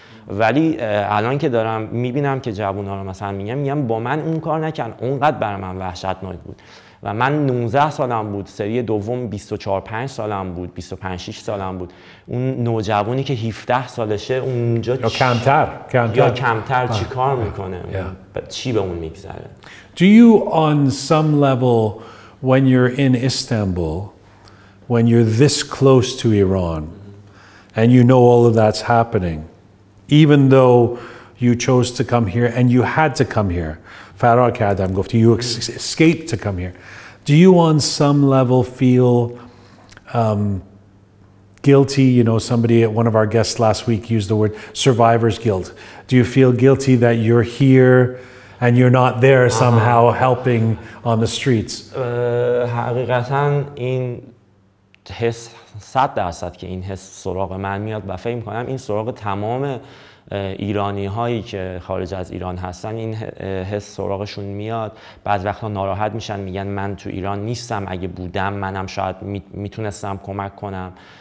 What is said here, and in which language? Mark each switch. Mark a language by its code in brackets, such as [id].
[fa] ولی الان که دارم میبینم که جوونا رو مثلا میگم با من اون کار نکن، اونقدر برای من وحشتناک بود. و من 19 سالم بود، سری دوم 24-5 سالم بود، 25-6 سالم بود. اون نوجوانی که 17 سالشه اونجا یا کمتر چی کار میکنه؟ چی به اون میگذره؟ [en] Do you on some level when you're in Istanbul, when you're this close to Iran and you know all of that's happening, even though you chose to come here and you had to come here, [fa] فرار کردم گفتی، [en] you escaped to come here, do you on some level feel guilty? You know, somebody, one of our guests last week used the word survivor's guilt. Do you feel guilty that you're here and you're not there somehow helping on the streets? [fa] حقیقتاً این حس 100% که این حس سراغ من میاد و فهم کنم این سراغ تمام ایرانی هایی که خارج از ایران هستن، این حس سراغشون میاد. بعض وقتا ناراحت میشن، میگن من تو ایران نیستم، اگه بودم منم شاید میتونستم کمک کنم.